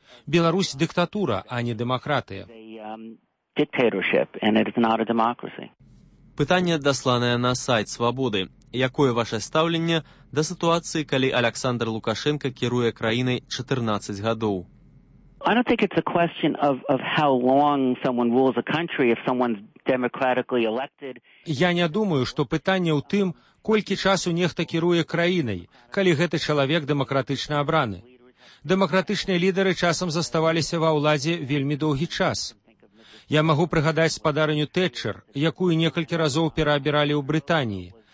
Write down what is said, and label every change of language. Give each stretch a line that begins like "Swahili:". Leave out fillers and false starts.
Belarusian: Беларусь дыктатура, а не дэмакратыя.
English: Dictatorship, and it is not a democracy.
Belarusian: Пытанне дасланае на сайт Свабоды. Якое ваша стаўленне да сітуацыі, калі Аляксандр Лукашэнка кіруе краінай 14 гадоў?
English: I don't think it's a question of how long someone rules a country if someone's democratically elected.
Belarusian: Я не думаю, што пытанне ў тым, колькі часу нехта кіруе краінай, калі гэты чалавек дэмакратычна абраны. Дэмакратычныя лідары часам заставаліся ва ўладзе вельмі доўгі час. Я магу прыгадаць спадарыню Тэтчэр, якую некалькі разоў пераабіралі ў Брытаніі.